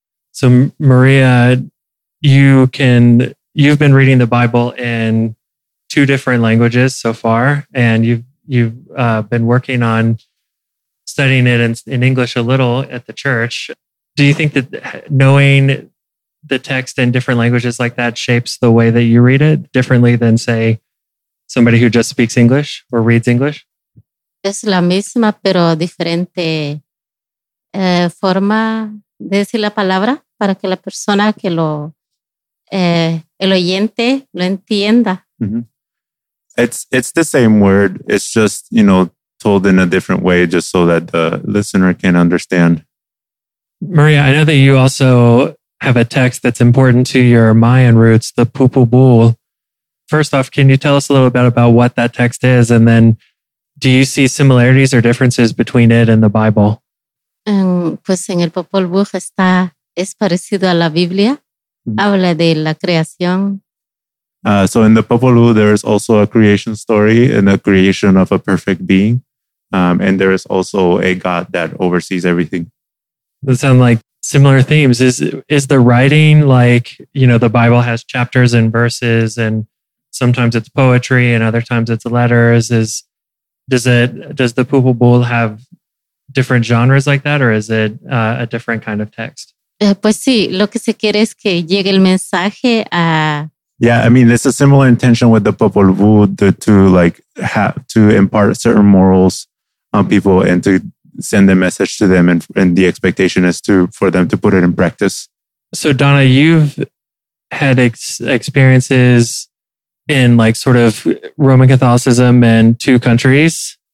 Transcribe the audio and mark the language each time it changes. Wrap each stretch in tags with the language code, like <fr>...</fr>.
<en>So, Maria, you've been reading the Bible in two different languages so far, and you've been working on studying it in English a little at the church. Do you think that knowing the text in different languages like that shapes the way that you read it differently than, say, somebody who just speaks English or reads English?</en> <es>Es la misma, pero diferente forma de decir la palabra para que la persona que lo, el oyente, lo entienda.</es> <en>Mm-hmm. It's the same word. It's just, you know, told in a different way just so that the listener can understand. Maria, I know that you also have a text that's important to your Mayan roots, the Pupubul. First off, can you tell us a little bit about what that text is? And then do you see similarities or differences between it and the Bible?</en> <es>Pues en el Popol Vuh está, es parecido a la Biblia. Mm-hmm. Habla de la creación.</es> <en>So in the Popol Vuh, there is also a creation story and a creation of a perfect being. And there is also a God that oversees everything. That sounds like similar themes. Is the writing like, you know, the Bible has chapters and verses and sometimes it's poetry and other times it's letters. Does the Popol Vuh have different genres like that, or is it a different kind of text?</en> <es>Pues sí, lo que se quiere es que llegue el mensaje a...</es> <en>Yeah, I mean, it's a similar intention with the Popol Vuh to impart certain morals on people and to send a message to them, and the expectation is for them to put it in practice. So Donna, you've had experiences in like sort of Roman Catholicism and two countries.</en>